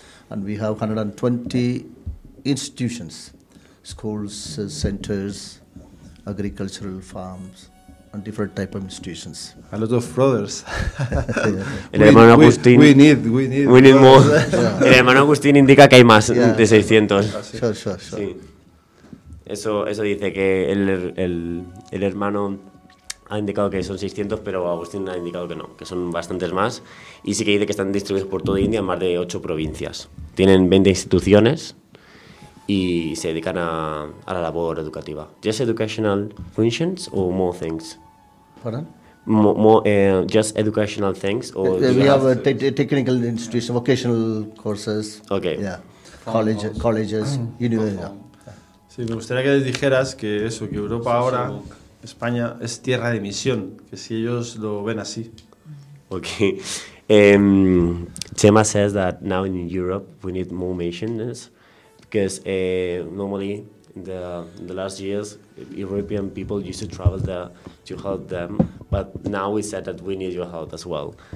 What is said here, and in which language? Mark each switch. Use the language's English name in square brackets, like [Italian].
[English] And we have 120 institutions, schools, centers, agricultural farms, and different type of institutions. A lot of brothers. [Spanish] El hermano Agustín. [English] We need more. [Spanish] Yeah. El hermano Agustín indica que hay más de 600. [English] Sure. [Spanish] Sí. Eso dice que el hermano ha indicado que son 600, pero Agustín ha indicado que no, que son bastantes más. Y sí que dice que están distribuidos por toda India en más de 8 provincias. Tienen 20 instituciones y se dedican a la labor educativa. [English] ¿Just educational functions o more things? Pardon? Just educational things? Or we have technical institutions, vocational courses. Okay. Yeah. Colleges, universities. Yeah. [Spanish] Sí, me gustaría que les dijeras que eso, que Europa ahora. España es tierra de misión, que si ellos lo ven así. [English] Okay. Chema says that now in Europe we need more missions because normally in the last years European people used to travel there to help them, but now we said that we need your help as well.